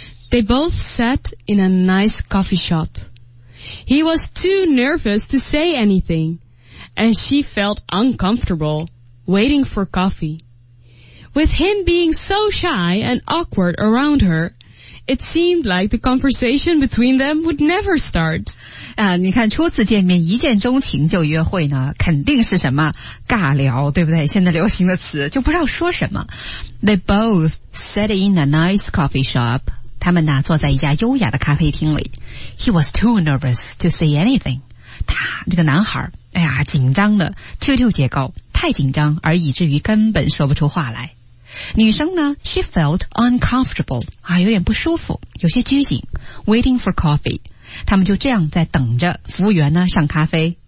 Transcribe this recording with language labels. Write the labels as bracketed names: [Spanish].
[English] They both sat in a nice coffee shop. He was too nervous to say anything, and she felt uncomfortable waiting for coffee. With him being so shy and awkward around her, it seemed like the conversation between them would never start. [Chinese] 啊，你看初次见面一见钟情就约会呢，肯定是什么尬聊，对不对？现在流行的词就不知道说什么。 [English] They both sat in a nice coffee shop. [Chinese] 他们呢坐在一家优雅的咖啡厅里 [English] He was too nervous to say anything [Chinese] 他这个男孩哎呀紧张的 Q-Q 结构太紧张而以至于根本说不出话来女生呢 [English] She felt uncomfortable [Chinese] 啊，有点不舒服有些拘谨 [English] Waiting for coffee [Chinese] 他们就这样在等着服务员呢上咖啡